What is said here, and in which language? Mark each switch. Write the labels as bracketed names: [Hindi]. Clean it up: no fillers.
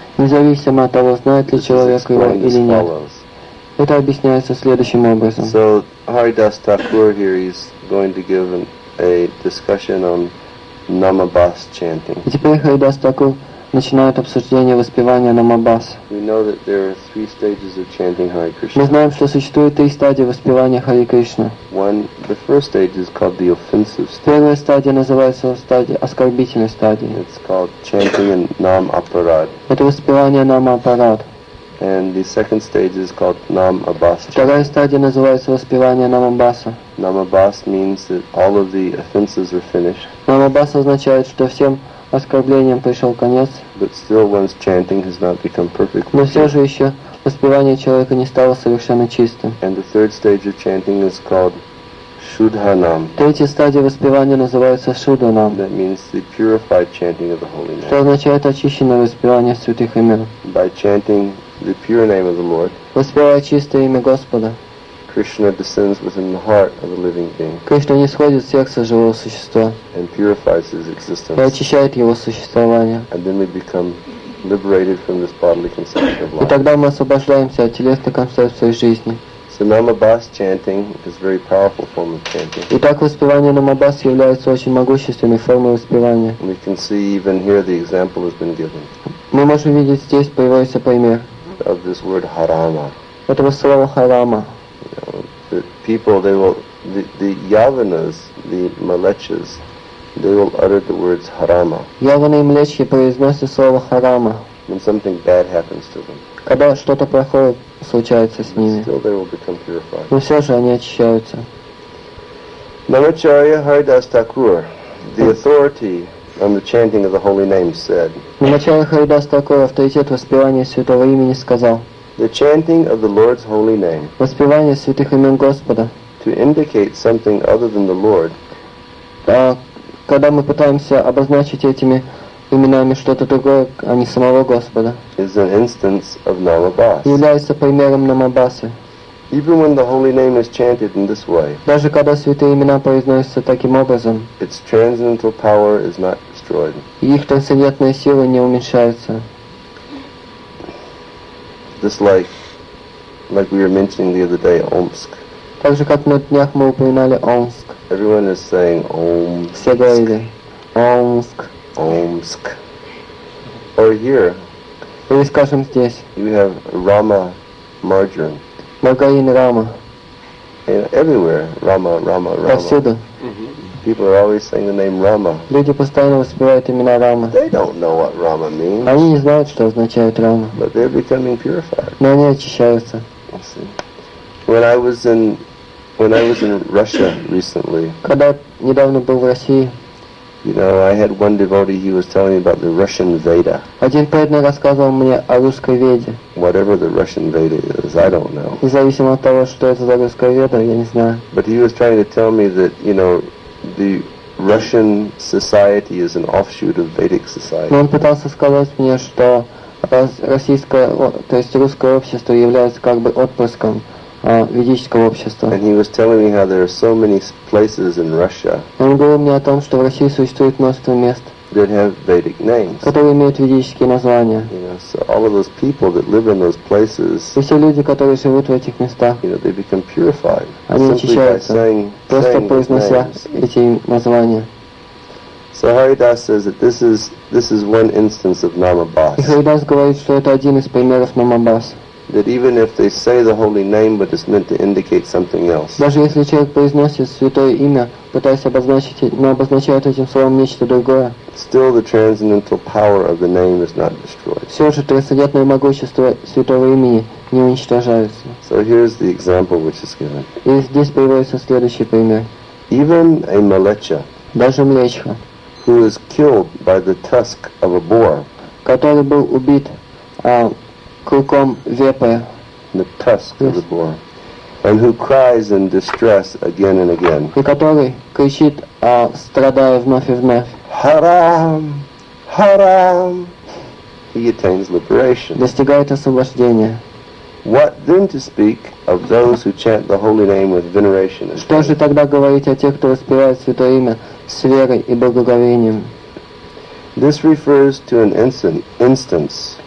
[Russian] Независимо от того, знает ли человек его или нет. Это объясняется следующим образом. [English] So Haridas Thakur here is going to give a discussion on Namabas chanting. [Russian] И теперь Haridas Thakur начинает обсуждение воспевания Намабас. [English] We know that there are three stages of chanting Hare Krishna. [Russian] Мы знаем, что существует три стадии воспевания Хари Кришна. [English] One, the first stage is called the offensive stage. [Russian] Первая стадия называется стадия оскорбительной стадии. [English] It's called chanting Nam Aparad. [Russian] Это воспевание Нам Апарад. [English] And the second stage is called Namabas. [Russian] Вторая стадия называется воспевание Намабаса. [English] Namabas means that all of the offenses are finished. [Russian] Намабас означает, что всем оскорблениям пришел конец. [English] But still one's chanting has not become perfect. [Russian] Но все же еще воспевание человека не стало совершенно чистым. [English] And the third stage of chanting is called Shudhanam. [Russian] Третья стадия воспевания называется Шудханам. [English] That means the purified chanting of the holy name. [Russian] Что означает очищенное воспевание святых имен. [English] By chanting the pure name of the Lord. [Russian] Воспевая чистое имя Господа. [English] Krishna descends within the heart of a living being. [Russian] Кришна нисходит в сердце живого существа. [English] And purifies his existence. [Russian] И очищает его существование. [English] And then we become liberated from this bodily conception of life. [Russian] И тогда мы освобождаемся от телесной концепции жизни. [English] So Namabas chanting is a very powerful form of chanting. [Russian] Итак, воспевание Намабас является очень могущественной формой воспевания. [English] We can see even here the example has been given. [Russian] Мы можем видеть здесь приводится пример. [English] Of this word harama. [Russian] Этого слова харама. [English] The people, they will, the yavanas, the malechas, they will utter the words harama. [Russian] Yavana и млечья произносят слово харама. [English] When something bad happens to them. [Russian] Когда что-то плохое случается с ними. [English] Still they will become purified. [Russian] Но все же они очищаются. [English] Namacharya Haridas Thakur, the authority on the chanting of the holy name said. [Russian] Namacharya Haridas Thakur, авторитет воспевания святого имени, сказал. [English] The chanting of the Lord's holy name. [Russian] Воспевание святых имен Господа. [English] To indicate something other than the Lord. [Russian] Когда мы пытаемся обозначить этими именами что-то другое, а не самого Господа. [English] Is an instance of Namabas. [Russian] Является примером Намабасы. [English] Even when the holy name is chanted in this way. [Russian] Даже когда святые имена произносятся таким образом. [English] Its transcendental power is not destroyed. [Russian] Их трансцендентная сила не уменьшается. [English] Just like we were mentioning the other day, Omsk. [Russian] Так же, как на днях мы упоминали Омск. [English] Everyone is saying Omsk. [Russian] Все говорили Омск. [English] Omsk. Or here, [Russian] Или скажем здесь. [English] You have Rama margarine. [Russian] Margarin Rama. [English] Everywhere, Rama, Rama, Rama. [Russian] Повсюду. [English] People are always saying the name Rama. [Russian] Люди постоянно воспевают имена Рама. [English] They don't know what Rama means. [Russian] Они не знают, что означает Рама. [English] But they're becoming purified. [Russian] Но они очищаются. [English] When I was in Russia recently. [Russian] Когда недавно был в России. [English] You know, I had one devotee. He was telling me about the Russian Veda. [Russian] Один преданный рассказывал мне о русской веде. [English] Whatever the Russian Veda is, I don't know. [Russian] Независимо от того, что это за русская веда, я не знаю. [English] But he was trying to tell me that, you know, the Russian society is an offshoot of Vedic society. [Russian] Но он пытался сказать мне, что российское, то есть русское общество является как бы отпрыском ведического общества. [English] And he was telling me how there are so many places in Russia. [Russian] Он говорил мне о том, что в России существует множество мест, [English] that have Vedic names. [Russian] Которые имеют ведические названия. [English] You know, so all of those people that live in those places. [Russian] И все люди, которые живут в этих местах. [English] You know, they become purified. [Russian] Они очищаются. [English] Saying, [Russian] просто произнося эти названия. [English] So Haridas says that this is one instance of Namabhas. [Russian] И Haridas говорит, что это один из примеров Намабас. [English] That even if they say the holy name, but it's meant to indicate something else. [Russian] Даже если человек произносит святое имя, пытаясь обозначить, но обозначает этим словом нечто другое. [English] Still, the transcendental power of the name is not destroyed. [Russian] Все же трансцендентное могущество святого имени не уничтожается. [English] So here's the example which is given. [Russian] И здесь приводится следующий пример. [English] Even a malecha. [Russian] Даже млечха. [English] Who is killed by the tusk of a boar. [Russian] Который был убит. Кулком вепря. [English] The tusk of the boar. And who cries in distress again and again. [Russian] И который кричит, страдая вновь и вновь. [English] Харам! Харам! He attains liberation. [Russian] Достигает освобождения. [English] What then to speak of those who chant the holy name with veneration and faith? [Russian] Что же тогда говорить о тех, кто воспевает святое имя с верой и благоговением? [English] This refers to an instance.